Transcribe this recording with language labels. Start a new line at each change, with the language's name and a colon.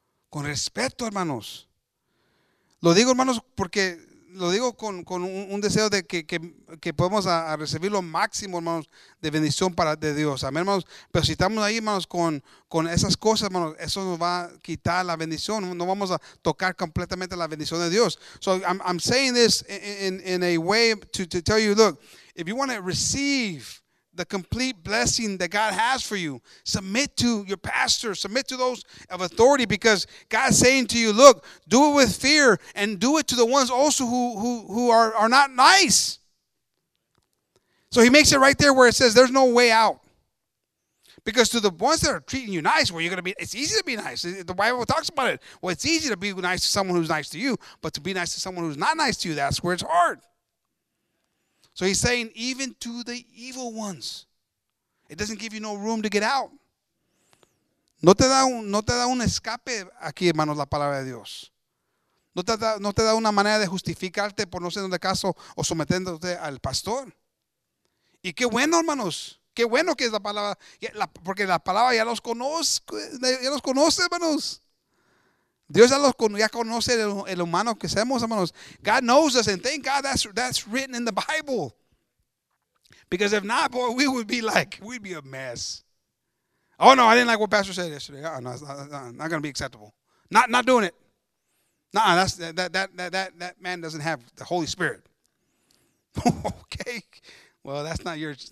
Spanish: Con respeto, hermanos. Lo digo, hermanos, porque lo digo con un deseo de que podemos a recibir lo máximo, hermanos, de bendición para de Dios. Amén, hermanos. Pero si estamos ahí, hermanos, con esas cosas, hermanos, eso nos va a quitar la bendición. No vamos a tocar completamente la bendición de Dios.
English: So I'm saying this in a way to tell you, look, if you want to receive the complete blessing that God has for you, submit to your pastor, submit to those of authority, because God's saying to you, look, do it with fear and do it to the ones also who are not nice. So he makes it right there where it says there's no way out. Because to the ones that are treating you nice, where you're going to be, it's easy to be nice. The Bible talks about it. Well, it's easy to be nice to someone who's nice to you, but to be nice to someone who's not nice to you, that's where it's hard. So he's saying, even to the evil ones, it doesn't give you no room to get out.
Spanish: No te da un escape aquí, hermanos, la palabra de Dios. No te da una manera de justificarte por no ser de caso o sometiéndote al pastor. Y qué bueno, hermanos, qué bueno que es la palabra, porque la palabra ya los conoce, hermanos. Dios ya conoce el humano que somos, hermanos.
English: God knows us, and thank God that's written in the Bible. Because if not, boy, we'd be a mess. Oh, no, I didn't like what Pastor said yesterday. Oh, no, it's not going to be acceptable. Not doing it. Nah, that man doesn't have the Holy Spirit. Okay. Well, that's not yours.